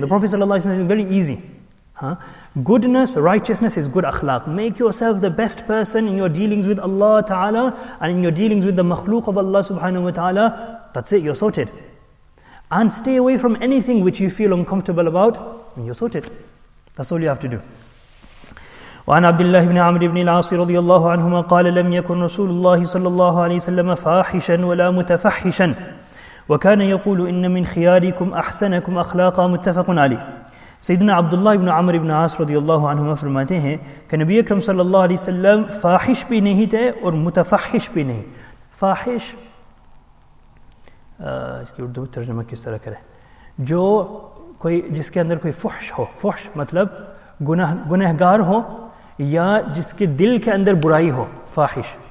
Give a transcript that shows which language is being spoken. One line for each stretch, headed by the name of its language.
English: The Prophet ﷺ is very easy. Goodness, righteousness is good akhlaq. Make yourself the best person in your dealings with Allah Ta'ala and in your dealings with the makhluq of Allah Subhanahu Wa Ta'ala. That's it, you're sorted. And stay away from anything which you feel uncomfortable about, and you're sorted. That's all you have to do.
Arabic: وعن عبد الله بن عمرو بن العاص رضي الله عنهما قال لم يكن رسول الله صلى الله عليه وسلم فاحشا ولا متفحشا وكان يقول إن من خياركم أحسنكم أخلاقا متفق عليه.
Urdu: سيدنا عبد الله بن عمرو بن عاص رضي الله عنهما فرماتے ہیں کہ نبی اکرم صلی اللہ علیہ وسلم فاحش بھی نہیں تھے اور متفحش بھی نہیں. فاحش اس کی اردو ترجمہ کس طرح کرے, جو کوئی جس کے اندر کوئی فحش ہو, فحش مطلب گنہگار ہو یا جس کے دل کے اندر برائی ہو, فاحش.